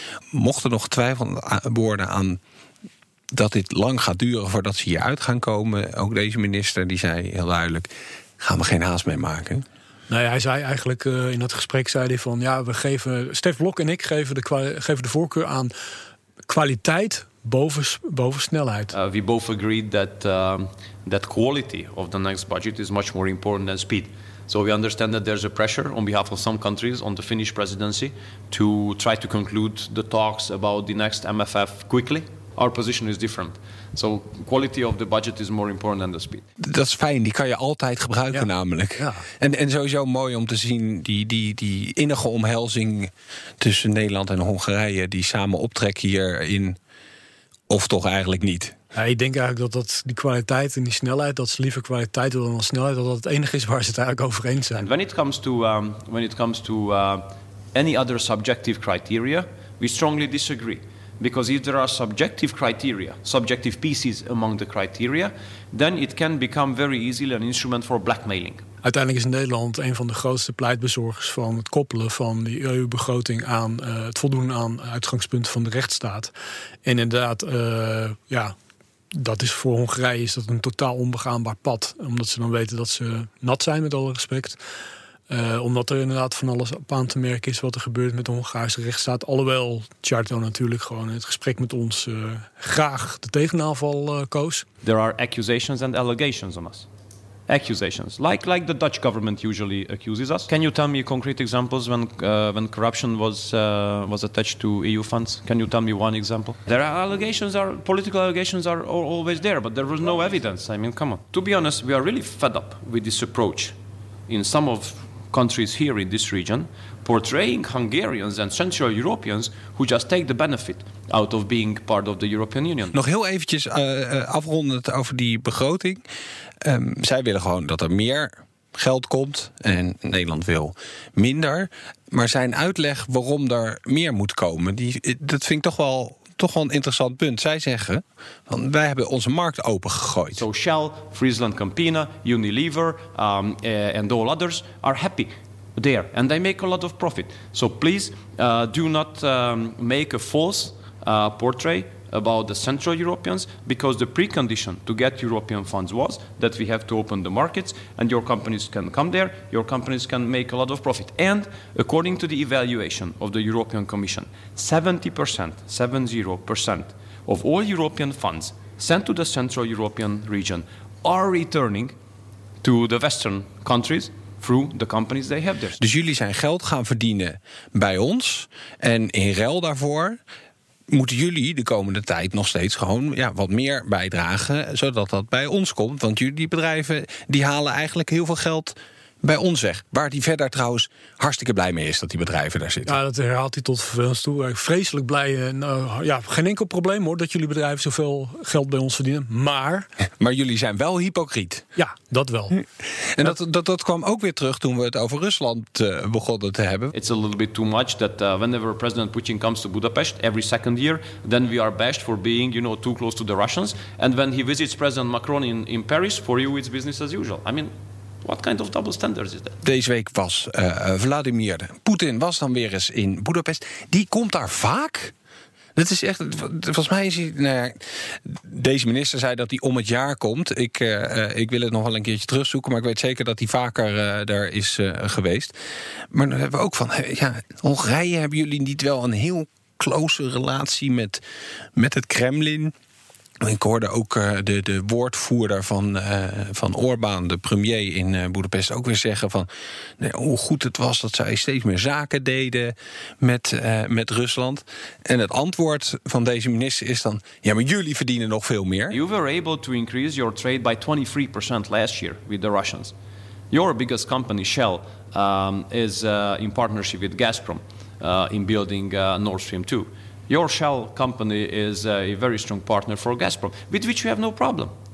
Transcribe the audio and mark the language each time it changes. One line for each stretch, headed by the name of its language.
Dutch: Mocht er nog twijfel worden aan dat dit lang gaat duren voordat ze hieruit gaan komen. Ook deze minister die zei heel duidelijk, gaan we geen haast mee maken. Nou ja, hij zei eigenlijk in dat gesprek, zei hij van... ja, we geven, Stef Blok en ik geven de voorkeur aan kwaliteit boven snelheid.
English: We both agreed that quality of the next budget is much more important than speed. So we understand that there's a pressure on behalf of some countries on the Finnish presidency to try to conclude the talks about the next MFF quickly. Our position is different. So quality of the budget is more important than the speed.
Dutch: Dat is fijn, die kan je altijd gebruiken, ja. Namelijk. Ja. En sowieso mooi om te zien die innige omhelzing tussen Nederland en Hongarije, die samen optrekken hierin, of toch eigenlijk niet. Ja, ik denk eigenlijk dat die kwaliteit en die snelheid, dat ze liever kwaliteit willen dan snelheid, dat het enige is waar ze het eigenlijk over eens zijn.
English: When it comes to any other subjective criteria, we strongly disagree. Because if there are subjective criteria, subjective pieces among the criteria, then it can become very easily an instrument for blackmailing.
Dutch: Uiteindelijk is Nederland een van de grootste pleitbezorgers van het koppelen van die EU-begroting aan het voldoen aan uitgangspunten van de rechtsstaat. En inderdaad, ja, dat is voor Hongarije is dat een totaal onbegaanbaar pad, omdat ze dan weten dat ze nat zijn, met alle respect. Omdat er inderdaad van alles op aan te merken is wat er gebeurt met de Hongaarse rechtsstaat. Alhoewel Csarto natuurlijk gewoon in het gesprek met ons graag de tegenaanval koos.
English: There are accusations and allegations on us. Accusations. Like the Dutch government usually accuses us. Can you tell me concrete examples when corruption was attached to EU funds? Can you tell me one example? There are allegations, political allegations are always there, but there was no evidence. I mean, come on. To be honest, we are really fed up with this approach. In some of countries here in this region, portraying Hungarians and Central Europeans who just take the benefit out of being part of the European Union.
Dutch: Nog heel eventjes afrondend over die begroting. Zij willen gewoon dat er meer geld komt en Nederland wil minder. Maar zijn uitleg waarom er meer moet komen, dat vind ik toch wel een interessant punt. Zij zeggen, want wij hebben onze markt open gegooid.
English: So Shell, Friesland Campina, Unilever and all others are happy there. And they make a lot of profit. So please do not make a false portrait about the Central Europeans. Because the precondition to get European funds was that we have to open the markets. And your companies can come there. Your companies can make a lot of profit. And according to the evaluation of the European Commission, 70% of all European funds sent to the Central European region are returning to the Western countries through the companies they have there.
Dutch: Dus jullie zijn geld gaan verdienen bij ons. En in ruil daarvoor moeten jullie de komende tijd nog steeds gewoon wat meer bijdragen, zodat dat bij ons komt. Want jullie bedrijven die halen eigenlijk heel veel geld bij ons weg. Waar hij verder trouwens hartstikke blij mee is dat die bedrijven daar zitten. Ja, dat herhaalt hij tot ons toe. Vreselijk blij. Geen enkel probleem hoor dat jullie bedrijven zoveel geld bij ons verdienen. Maar... maar jullie zijn wel hypocriet. Ja, dat wel. En dat kwam ook weer terug toen we het over Rusland begonnen te hebben.
English: It's a little bit too much that whenever President Putin comes to Budapest every second year, then we are bashed for being, you know, too close to the Russians. And when he visits President Macron in Paris, for you it's business as usual. I mean... what kind of double standards is that?
Dutch: Deze week was Vladimir Poetin was dan weer eens in Boedapest. Die komt daar vaak. Dat is echt. Volgens mij is hij. Nou ja, deze minister zei dat hij om het jaar komt. Ik wil het nog wel een keertje terugzoeken, maar ik weet zeker dat hij vaker daar is geweest. Maar dan hebben we ook van. Ja, Hongarije, hebben jullie niet wel een heel close relatie met het Kremlin? Ik hoorde ook de woordvoerder van Orbán, de premier in Boedapest, ook weer zeggen van nee, hoe goed het was dat zij steeds meer zaken deden met Rusland. En het antwoord van deze minister is dan ja, maar jullie verdienen nog veel meer.
English: You were able to increase your trade by 23% last year with the Russians. Your biggest company, Shell, is in partnership with Gazprom in building Nord Stream 2. Your Shell company is a very strong partner for Gazprom, with which you have no problem.